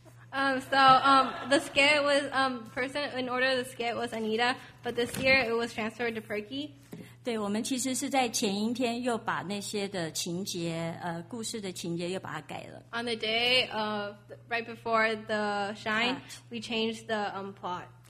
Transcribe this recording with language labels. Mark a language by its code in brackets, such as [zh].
[en] The skit was person in order of the skit was Anita, but this year it was transferred to Perky. [zh] 对，我们其实是在前一天又把那些的情节，故事的情节又把它改了。 [en] On the day of right before the shine, we changed the plot.